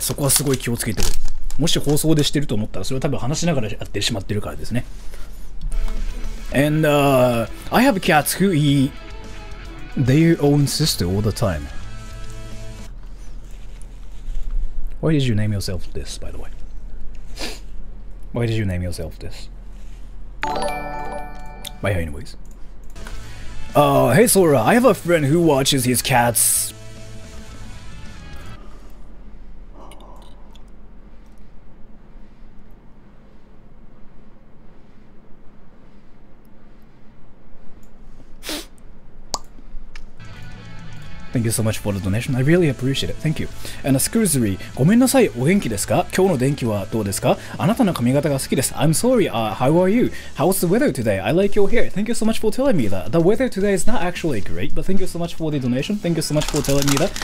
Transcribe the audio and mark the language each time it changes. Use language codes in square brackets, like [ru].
[ja] そこはすごい気をつけてる。もし放送でしてると思ったら、それは多分話しながらやってしまってるからですね。 [en] And I have cats who eat their own sister all the time. Why did you name yourself this, by the way? Why did you name yourself this? But anyways. Hey Sora, I have a friend who watches his cats Thank you so much for the donation. I really appreciate it. Thank you. And a scurzery. [ja] ごめんなさい。お元気ですか? 今日の天気はどうですか?あなたの髪型が好きです。 [en] I'm sorry. How are you? How's the weather today? I like your hair. Thank you so much for telling me that. The weather today is not actually great, but thank you so much for the donation. Thank you so much for telling me that.